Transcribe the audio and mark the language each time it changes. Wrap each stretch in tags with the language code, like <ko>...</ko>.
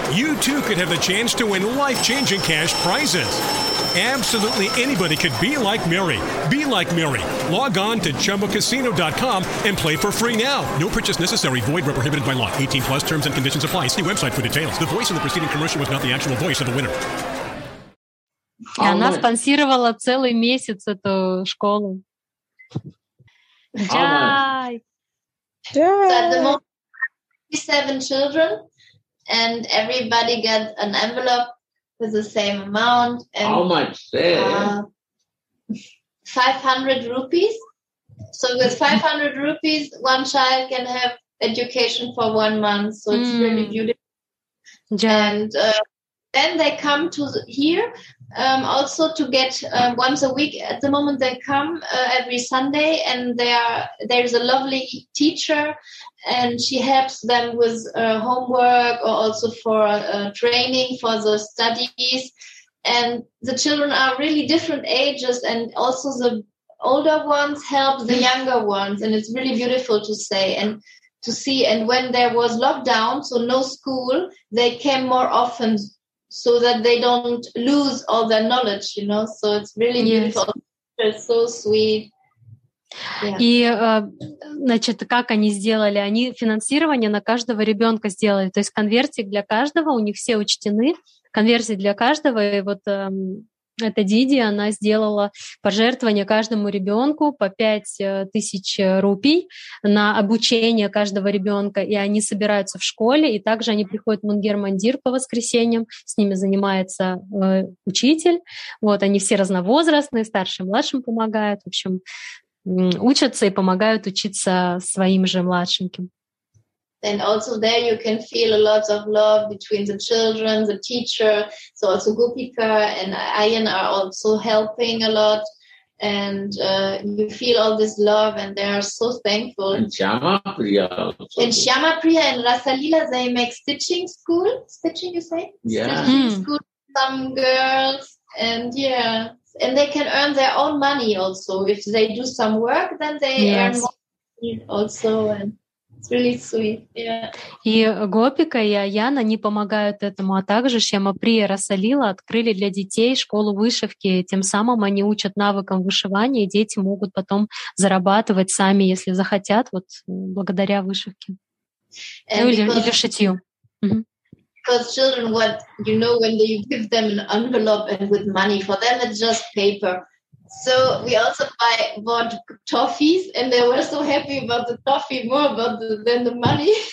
<en>You too could have the chance to win life-changing cash prizes. Absolutely anybody could be like Mary. Be like Mary. Log on to ChumbaCasino.com and play for free now. No purchase necessary. Void where prohibited by law. 18 plus terms and conditions apply. See website for details. The voice in the preceding commercial was not the actual voice of the winner.</en> <ru>И она спонсировала целый месяц эту школу. Джай! Джай!</ru> <en>Seven children, and everybody got an envelope with the same amount. And, how much? 500 rupees. So with 500 rupees, one child can have education for 1 month. So it's really beautiful. Yeah. And then they come to here also to get once a week. At the moment, they come every Sunday, and there's a lovely teacher, and she helps them with homework or also for training for the studies. And the children are really different ages, and also the older ones help the younger ones, and it's really beautiful to say and to see. And when there was lockdown, so no school, they came more often, so that they don't lose all their knowledge, you know. So it's really beautiful. It's so sweet.</en> <ru>И, значит, как они сделали? Они финансирование на каждого ребенка сделали. То есть конвертик для каждого, у них все учтены. Конвертик для каждого. И вот Это Диди, она сделала пожертвование каждому ребенку по 5000 рупий на обучение каждого ребенка, и они собираются в школе, и также они приходят в Мунгер-Мандир по воскресеньям, с ними занимается учитель. Вот, они все разновозрастные, старшим, младшим помогают, в общем, учатся и помогают учиться своим же младшеньким.</ru> <en>And also there you can feel a lot of love between the children, the teacher. So also Gopika and Ayan are also helping a lot. And you feel all this love and they are so thankful. And Shyamapriya also. And Shyamapriya and Rasalila, they make stitching school. Stitching, you say? Yeah. Stitching school with some girls. And yeah. And they can earn their own money also. If they do some work, then they earn money also. And it's really sweet, yeah.</en> <ru>И Гопика и Аян, они помогают этому, а также Шьямаприя и Расалила открыли для детей школу вышивки, тем самым они учат навыкам вышивания, и дети могут потом зарабатывать сами, если захотят, вот благодаря вышивке. And ну или шитью.</ru> <en>Because children, what you know, when you give them an envelope and with money, for them it's just paper. So we also bought toffees, and they were so happy about the toffee more about than the money.</en>